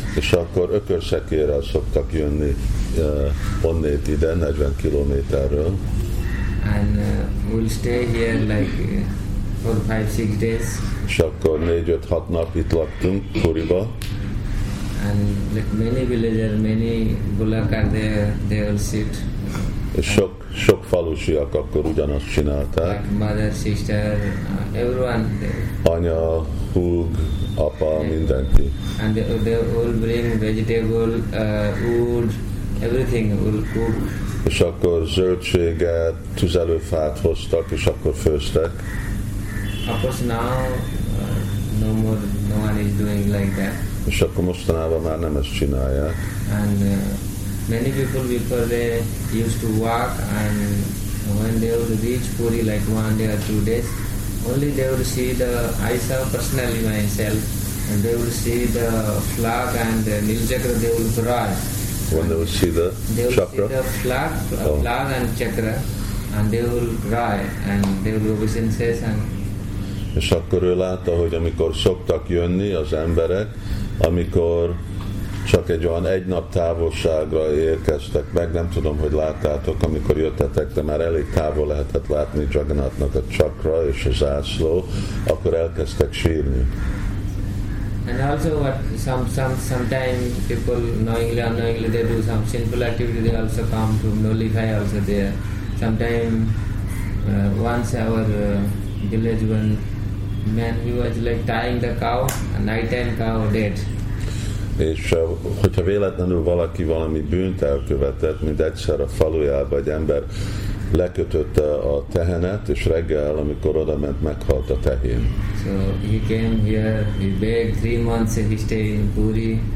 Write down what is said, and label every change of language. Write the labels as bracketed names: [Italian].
[Hungarian] És akkor ökörszekérrel szoktak jönni onnét ide, 40 kilométerről. [English] And we'll stay here like 4-5-6 days. [Hungarian] És akkor 4-5-6 nap itt laktunk Puriba. [English] And like many villagers, many bullock cart, they will sit. [Hungarian] És sok falusiak akkor ugyanazt csinálták. [English] Like mother, sister, everyone. [Hungarian] Anya, húg, apa, mindenki. [English] And they will bring vegetable, wood, everything will cook. [Hungarian] És akkor zöldséget, tüzelőfát hoztak, és akkor főztek. [English] Of course now, no more, no one is doing like that. [Hungarian] És akkor mostanában már nem ezt csinálják. [English] And many people before they used to walk, and when they would reach Puri like 1 day or 2 days, only they would see the, I saw personally myself, and they would see the flag and the Nilchakra they would draw. When they would see the chakra? They would see the flag, flag and chakra, and they would draw, and they would go senses. [Hungarian] És akkor ő látta, hogy amikor szoktak jönni az emberek, amikor csak egy olyan egy nap távolságra érkeztek meg, nem tudom, hogy láttátok, amikor jöttetek, de már elég távol lehetett látni Jagannathnak a csakra és a zászló, akkor elkezdtek sírni. [English] And also what sometimes people knowingly or unknowingly they do some sinful activity, they also come to nullify also there. Sometimes once our village one man, he was like tying the cow, a night time cow dead. [Hungarian] És hogyha véletlenül valaki valami bűnt elkövetett, mint egyszer a falujában egy ember lekötötte a tehenet, és reggel, amikor oda ment, meghalt a tehén. [English] So he came here, he begged 3 months, he stayed in Puri.